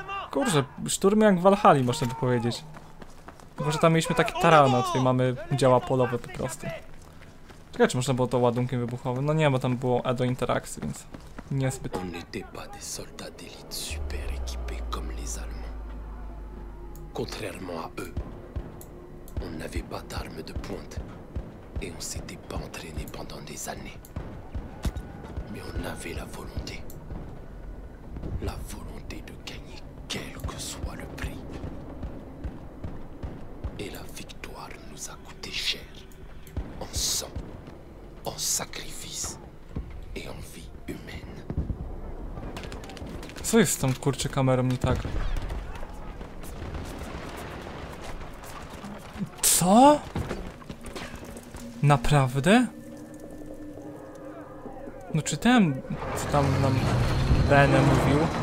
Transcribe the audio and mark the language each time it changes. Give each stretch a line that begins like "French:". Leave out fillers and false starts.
Polish: Kurze, szturmy jak w Valhalla, można by powiedzieć. Może tam mieliśmy taki taran, a tutaj mamy działa polowe po prostu. Czekaj, czy można było to ładunkiem wybuchowym? No nie, bo tam było E do interakcji, więc niezbyt.
French: On n'était pas des soldats d'élite super équipés comme les Allemands. Contrairement à eux, on n'avait pas d'armes de pointe et on s'était pas entraîné pendant des années. Mais on avait la volonté. La volonté de gagner, quel que soit le prix. Et la victoire nous a coûté cher. En sang. En sacrifice et en vie humaine.
Polish: Co jest z tą kurczę kamerą nie tak? Co? Naprawdę? No czytałem, co tam nam Bene mówił.